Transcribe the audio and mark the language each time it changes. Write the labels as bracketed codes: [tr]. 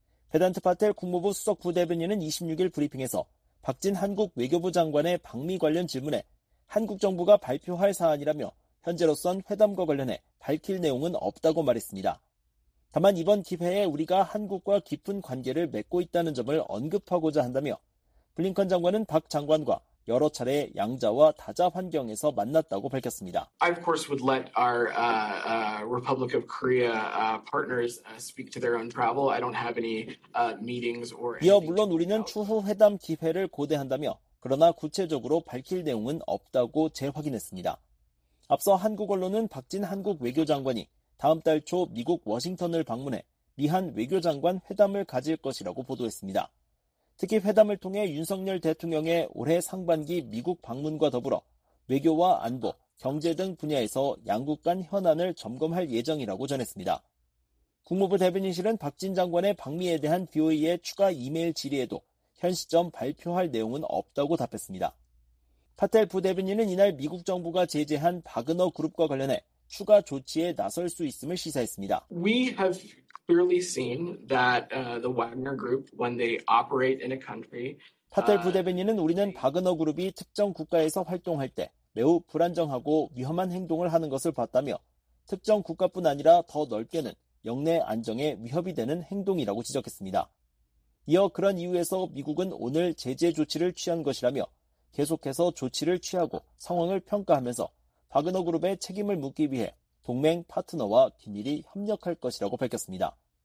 [ko] 베단트 파텔 국무부 수석 부대변인은 26일 브리핑에서 박진 한국 외교부 장관의 방미 관련 질문에 한국 정부가 발표할 사안이라며 현재로선 회담과 관련해 밝힐 내용은 없다고 말했습니다. 다만 이번 기회에 우리가 한국과 깊은 관계를 맺고 있다는 점을 언급하고자 한다며 블링컨 장관은 박 장관과 여러 차례 양자와 다자 환경에서 만났다고 밝혔습니다. [en] I of course would let our Republic of Korea partners speak to their own travel. I don't have any meetings or. [ko] 이어 물론 우리는 추후 회담 기회를 고대한다며 그러나 구체적으로 밝힐 내용은 없다고 재확인했습니다. 앞서 한국 언론은 박진 한국 외교장관이 다음 달 초 미국 워싱턴을 방문해 미한 외교장관 회담을 가질 것이라고 보도했습니다. 특히 회담을 통해 윤석열 대통령의 올해 상반기 미국 방문과 더불어 외교와 안보, 경제 등 분야에서 양국 간 현안을 점검할 예정이라고 전했습니다. 국무부 대변인실은 박진 장관의 방미에 대한 BOE의 추가 이메일 질의에도 현 시점 발표할 내용은 없다고 답했습니다. 파텔 부대변인은 이날 미국 정부가 제재한 바그너 그룹과 관련해 추가 조치에 나설 수 있음을 시사했습니다. [en] We have clearly seen that the Wagner Group, when they operate in a country, [ko] 파텔 부대변인은 우리는 바그너 그룹이 특정 국가에서 활동할 때 매우 불안정하고 위험한 행동을 하는 것을 봤다며 특정 국가뿐 아니라 더 넓게는 영내 안정에 위협이 되는 행동이라고 지적했습니다. 이어 그런 이유에서 미국은 오늘 제재 조치를 취한 것이라며 계속해서 조치를 취하고 상황을 평가하면서 바그너 그룹의 책임을 묻기 위해 동맹 파트너와 긴밀히 협력할 것이라고 밝혔습니다.